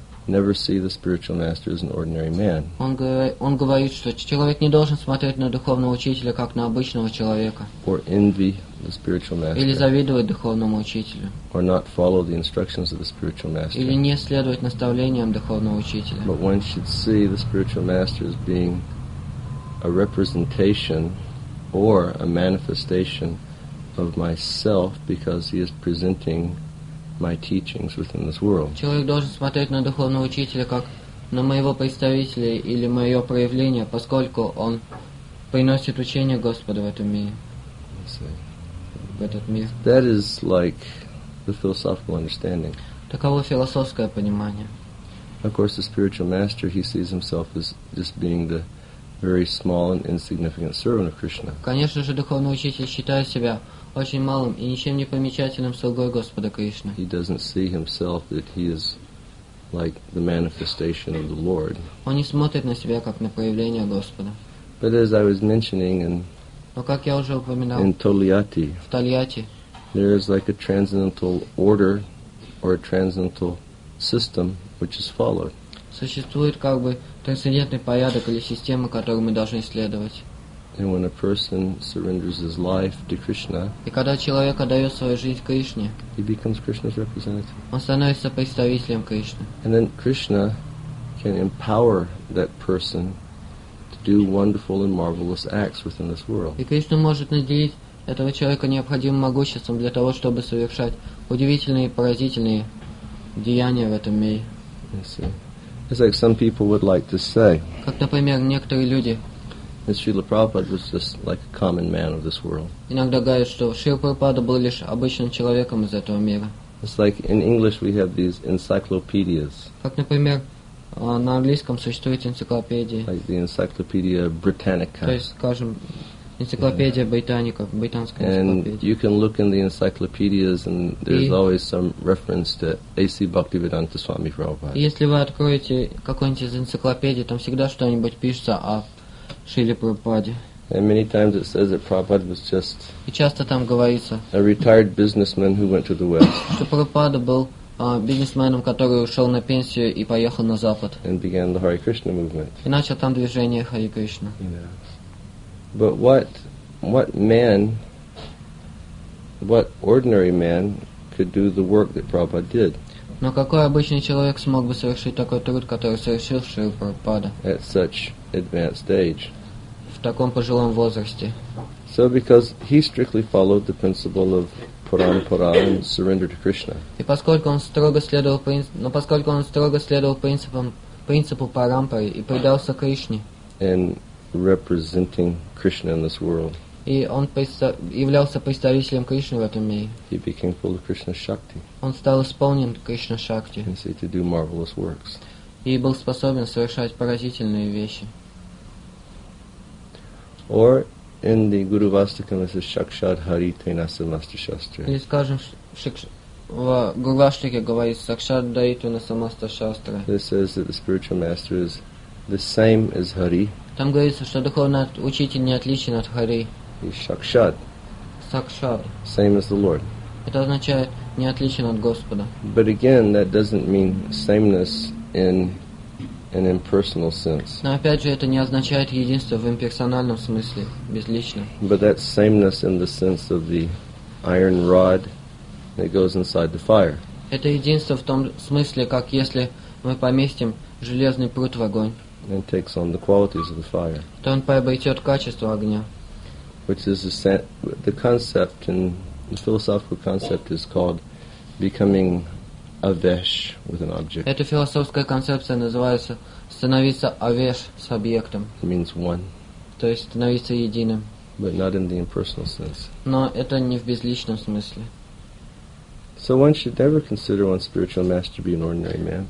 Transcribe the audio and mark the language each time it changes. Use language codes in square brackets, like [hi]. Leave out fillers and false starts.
[en] Never see the spiritual master as an ordinary man. [ru] Он говорит, что человек не должен смотреть на духовного учителя как на обычного человека. [en] Or envy the spiritual master. [ru] Или завидовать духовному учителю. [en] Or not follow the instructions of the spiritual master. [ru] Или не следовать наставлениям духовного учителя. [en] But one should see the spiritual master as being a representation or a manifestation of myself because he is presenting my teachings within this world. [ru] Человек должен смотреть на духовного учителя как на моего представителя или мое проявление, поскольку он приносит учение Господу в этом мире. В этот мир. [en] That is like the philosophical understanding. [ru] Таково философское понимание. [en] Of course, the spiritual master, he sees himself as just being the very small and insignificant servant of Krishna. [ru] Конечно же, духовный учитель считает себя очень малым и ничем не помечательным слугой Господа Кришны. [en] He doesn't see himself that he is like the manifestation of the Lord. [ru] Он не смотрит на себя как на проявление Господа. [en] But as I was mentioning in, [ru] но как я уже упоминал, in Toliati, в Тольятти, [en] there is like a transcendental order or a transcendental system which is followed. [ru] Существует как бы трансцендентный порядок или система, которую мы должны следовать. [en] And when a person surrenders his life to Krishna, [ru] и когда человек отдает свою жизнь Кришне, [en] he becomes Krishna's representative. [ru] Он становится представителем Кришны. [en] And then Krishna can empower that person to do wonderful and marvelous acts within this world. [ru] И Кришна может наделить этого человека необходимым могуществом для того, чтобы совершать удивительные и поразительные деяния в этом мире. [en] It's like some people would like to say. [ru] Как, например, некоторые люди. [en] Srila Prabhupada was just like a common man of this world. [ru] Иногда говорят, что Шрила Прабхупада был лишь обычным человеком из этого мира. [en] It's like in English we have these encyclopedias. [ru] Как, например, на английском существуют энциклопедии. [en] Like the Encyclopedia Britannica. [ru] То есть, скажем, энциклопедия Британика, британская энциклопедия. [en] And you can look in the encyclopedias, and there's always some reference to A.C. Bhaktivedanta Swami Prabhupada. [ru] Если вы откроете какую-нибудь из энциклопедий, там всегда что-нибудь пишется о Шриле Прабхупаде. [en] And many times it says that Prabhupada was just. [ru] И часто там говорится. [en] A retired businessman who went to the West. [ru] Что Прабхупада был бизнесменом, который ушел на пенсию и поехал на Запад. [en] And began the Hare Krishna movement. [ru] И начал там движение Хари Кришна. [en] But what ordinary man could do the work that Prabhupada did? [ru] Но какой обычный человек смог бы совершить такой труд, который совершил Шрила Прабхупада? [en] At such advanced age. [ru] В таком пожилом возрасте. [en] So because he strictly followed the principle of Parampara and surrender to Krishna. [ru] И поскольку он строго следовал принципу Парампары и предался Кришне. [en] And representing Krishna in this world. [ru] И он являлся представителем Кришны в этом мире. [en] He became full of Krishna Shakti. [ru] Он стал исполнен Кришна Шакти. [en] And said to do marvelous works. [ru] И был способен совершать поразительные вещи. [en] Or in the Guru Vastakam it says Shakshad Hari Tainasa Master Shastra. [ru] Или скажем, в Guru Vastakam говорится Shakshad Hari Tainasa Master Shastra. [en] This says that the spiritual master is the same as Hari. [ru] Там говорится, что духовный учитель не отличен от Хари. [en] He's Shakshad. [sa] Shakshad. [en] Same as the Lord. [ru] Это означает не отличен от Господа. [en] But again, that doesn't mean sameness in an impersonal sense. [ru] Но опять же, это не означает единство в имперсональном смысле, безлично. [en] But that's sameness in the sense of the iron rod that goes inside the fire. [ru] Это единство в том смысле, как если мы поместим железный прут в огонь. [en] And takes on the qualities of the fire. [ru] То он приобретет качество огня. [en] Which is the concept and the philosophical concept is called becoming avesh with an object. [ru] Эта философская концепция называется становиться авеш с объектом. [en] It means one. [ru] То есть становиться единым. [en] But not in the impersonal sense. [ru] Но это не в безличном смысле. [en] So one should never consider one's spiritual master to be an ordinary man.